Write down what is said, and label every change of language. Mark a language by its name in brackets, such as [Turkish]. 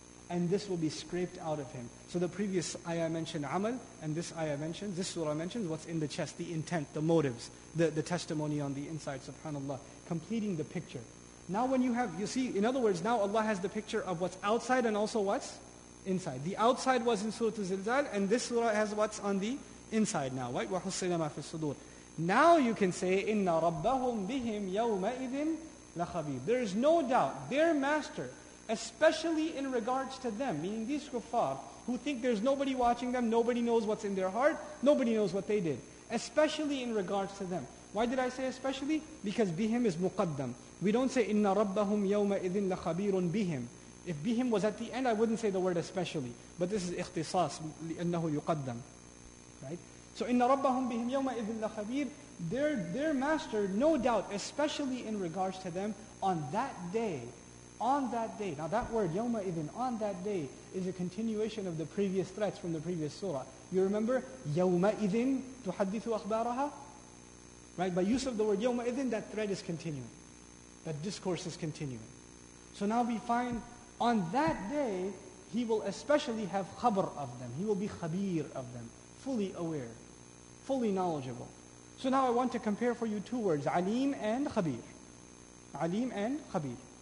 [English] And this will be scraped out of him. So the previous ayah mentioned amal, and this ayah mentions, this surah mentions what's in the chest, the intent, the motives, the testimony on the inside, subhanAllah, completing the picture. Now when you have, you see, in other words, now Allah has the picture of what's outside and also what's inside. The outside was in Surah Az-Zilzal, and this surah has what's on the inside now, right? [Arabic] وَحُصِّلَ مَا فِي الصُّدُورِ. [English] Now you can say, [Arabic] إِنَّ رَبَّهُمْ بِهِمْ يَوْمَئِذٍ لَخَبِيرٌ. [English] There is no doubt, their master, especially in regards to them, meaning these kuffar, who think there's nobody watching them, nobody knows what's in their heart, nobody knows what they did. Especially in regards to them. Why did I say especially? Because bihim is muqaddam. [Arabic] We don't say, إِنَّ رَبَّهُمْ يَوْمَئِذٍ لَخَبِيرٌ بِهِمْ. [English] If bihim was at the end, I wouldn't say the word especially. But this is ikhtisas, [Arabic] لِأَنَّهُ يُقَدَّمْ. [English] Right? So, [Arabic] إِنَّ رَبَّهُمْ بِهِمْ يَوْمَئِذٍ لَخَبِيرٌ. [English] Their master, no doubt, especially in regards to them, on that day, now that word, يَوْمَئِذٍ, on that day, is a continuation of the previous threats from the previous surah. You remember, [Arabic] يَوْمَئِذٍ تُحَدِّثُ أَخْبَارَهَا? [English] Right, by use of the word يَوْمَئِذٍ, that threat is continuing. That discourse is continuing. So now we find, on that day, he will especially have khabr of them. He will be khabir of them. Fully aware. Fully knowledgeable. So now I want to compare for you two words, عَلِيم and khabir. عَلِيم and khabir.